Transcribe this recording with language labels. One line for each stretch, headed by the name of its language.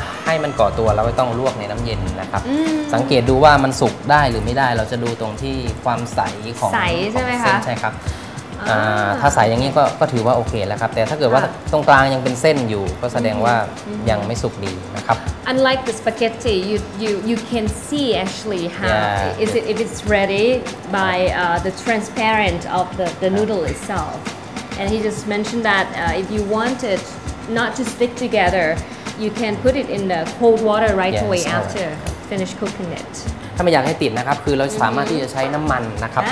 Thai: ปกติวุ้นเส้นถ้าเราลวกถ้าเรายังไม่อยากให้มันก่อตัวเราก็ต้องลวกในน้ำเย็นนะครับ สังเกตดูว่ามันสุกได้หรือไม่ได้เราจะดูตรงที่ความใสของเส้นใช่ครับ ถ้าใสอย่างนี้ก็ถือว่าโอเคแล้วครับ แต่ถ้าเกิดว่าตรงกลางยังเป็นเส้นอยู่ก็แสดงว่ายังไม่สุกดีนะครับ
English: Unlike the spaghetti, you can see actually how is it if it's ready by the transparent of the noodle itself. And he just mentioned that if you want it not to stick together, you can put it in the cold water right yes, away after finish cooking it.
Thai: ถ้าไม่อยากให้ติดนะครับคือเราสามารถที่จะใช้น้ำมันนะครับ